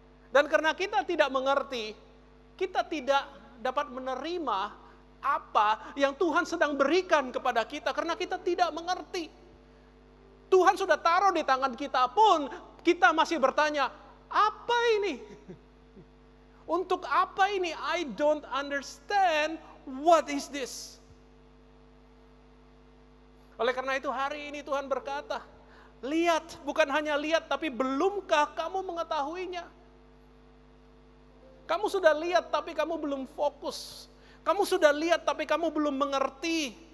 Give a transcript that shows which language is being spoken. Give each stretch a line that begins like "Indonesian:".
Indonesian: Dan karena kita tidak mengerti, kita tidak dapat menerima apa yang Tuhan sedang berikan kepada kita. Karena kita tidak mengerti. Tuhan sudah taruh di tangan kita pun, kita masih bertanya, apa ini? Untuk apa ini?
English: I don't understand, what is this?
Indonesian: Oleh karena itu hari ini Tuhan berkata, lihat, bukan hanya lihat, tapi belumkah kamu mengetahuinya? Kamu sudah lihat, tapi kamu belum fokus. Kamu sudah lihat, tapi kamu belum mengerti.